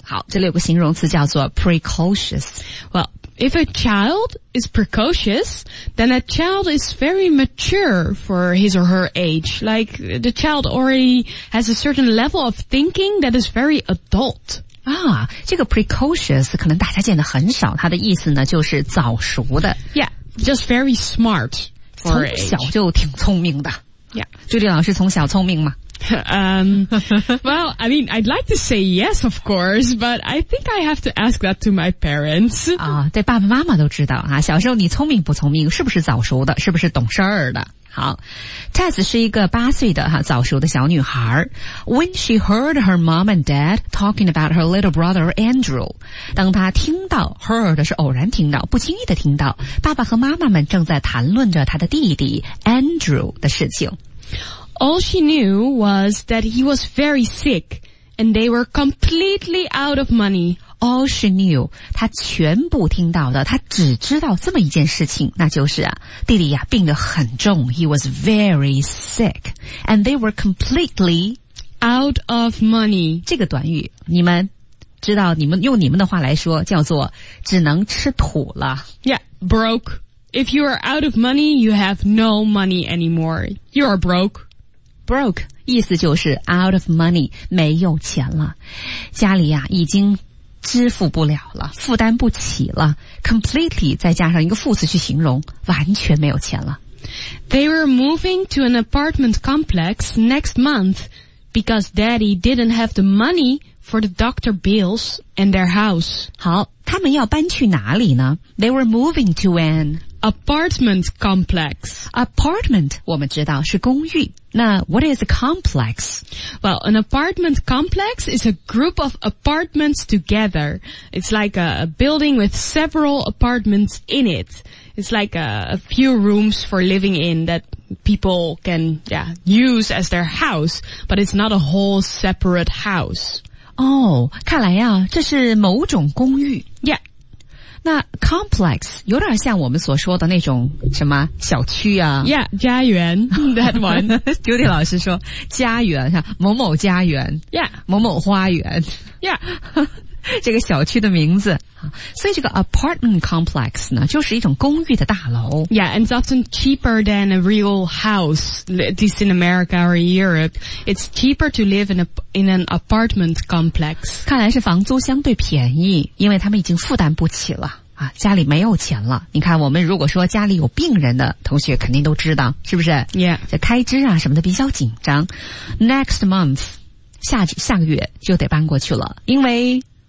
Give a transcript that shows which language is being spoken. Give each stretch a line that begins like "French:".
Chinese: 好，这里有个形容词叫做 precocious.
English: Well. If a child is precocious, then a child is very mature for his or her age. Like, the child already has a certain level of thinking that is very adult.
Chinese: 啊，这个 precocious 可能大家见得很少，它的意思呢就是早熟的。
English: Yeah, just very smart for
Chinese: age. 从小就挺聪明的。
English: Yeah.
Chinese: 朱迪老师从小聪明吗？
English: Well, I mean, I'd like to say yes, of course, but I think I have to ask that to my parents.
Chinese: 啊，对，爸爸妈妈都知道啊。小时候你聪明不聪明，是不是早熟的，是不是懂事儿的？好 ，Tess 是一个八岁的哈早熟的小女孩。
English: When she heard her mom and dad talking about her little brother Andrew,
Chinese: 当她听到 heard 是偶然听到，不经意的听到爸爸和妈妈们正在谈论着她的弟弟 Andrew 的事情。
English: All she knew was that he was very sick and they were completely out of money. All she knew,
Chinese: 她全部听到的，她只知道这么一件事情，那就是啊，弟弟啊，病得很重。
English: He was very sick and they were completely out of money.
Chinese: 这个短语，你们知道，你们用你们的话来说，叫做只能吃土了。
English: Yeah, broke. If you are out of money, you have no money anymore. You are broke.
Chinese: Broke, 意思就是
English: out of money,
Chinese: 没有钱了。家里啊已经支付不了了，负担不起了。 Completely, 再加上一个副词去形容，完全没有钱了。
English: They were moving to an apartment complex next month because daddy didn't have the money for the doctor bills and their house.
Chinese: 好，他们要搬去哪里呢？
English: They were moving to an Apartment complex.
Chinese: Apartment, 我们知道是公寓。
English: 那 what is a complex? Well, an apartment complex is a group of apartments together. It's like a building with several apartments in it. It's like a few rooms for living in that people can, yeah, use as their house, but it's not a whole separate house.
Chinese: Oh, 看来啊，这是某种公寓。
English: Yeah.
Chinese: 那 complex 有点像我们所说的那种什么小区啊
English: ？Yeah, 家园 that one.
Chinese: Judy 老师说家园，某某家园
English: ，Yeah,
Chinese: 某某花园
English: ，Yeah,
Chinese: 这个小区的名字。所以这个 apartment complex 呢，就是一种公寓的大楼。
English: Yeah, and it's often cheaper than a real house, at least in America or Europe. It's cheaper to live in an apartment complex.
Chinese: 看来是房租相对便宜，因为他们已经负担不起了。啊，家里没有钱了。你看，我们如果说家里有病人的同学，肯定都知道，是不是
English: ？Yeah.
Chinese: 这开支啊什么的比较紧张。
English: Next month,
Chinese: 下个月就得搬过去了，因为